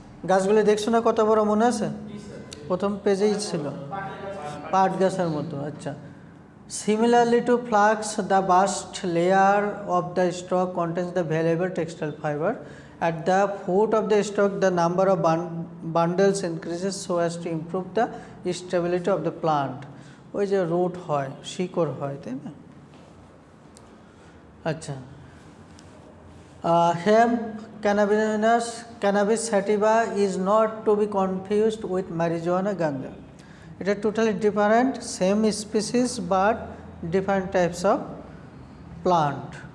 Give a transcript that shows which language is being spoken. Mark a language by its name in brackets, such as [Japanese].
[Bangla] গাছগুলো দেখছো না কত বড়, মনে আছে প্রথম পেজেই ছিল, পাট গাছের মতো। [English] আচ্ছা, similarly to flax the bast layer of the stalk contains the valuable textile fibre, at the foot of the stalk the number of bundles increases so as to improve the stability of the plant. [Bangla] ওই যে root হয় শিকড় হয় তাই না? [English] আচ্ছা hemp cannabinus cannabis sativa is not to be confused with marijuana ganja. এটা totally different, same species but different types of plant.